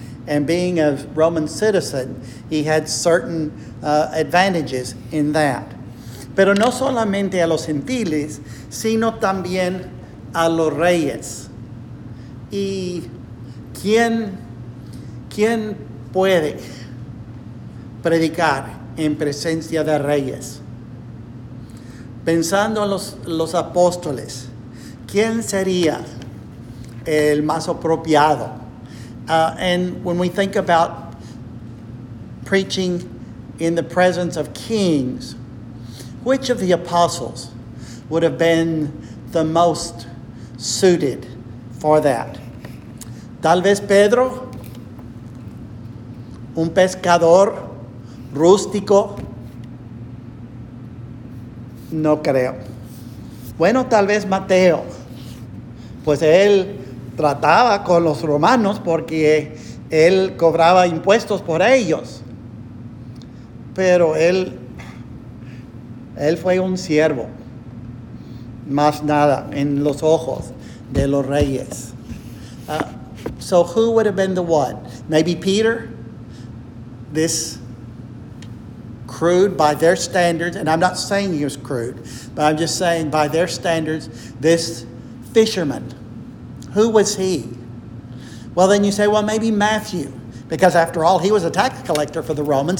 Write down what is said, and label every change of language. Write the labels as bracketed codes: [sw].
[en] And being a Roman citizen, he had certain advantages in that. [es] Pero no solamente a los gentiles, sino también a los reyes. Y ¿quién puede predicar en presencia de reyes? Pensando en los apóstoles, ¿quién sería el más apropiado? And when we think about preaching in the presence of kings, which of the apostles would have been the most suited for that? Tal vez Pedro, un pescador rústico. No creo. Bueno, tal vez Mateo, pues él trataba con los romanos porque él cobraba impuestos por ellos. Pero él fue un siervo, más nada, en los ojos de los reyes. [en] So who would have been the one? Maybe Peter, this crude by their standards, and I'm not saying he was crude, but I'm just saying by their standards, this fisherman, who was he? Well, then you say, well, maybe Matthew, because after all, he was a tax collector for the Romans.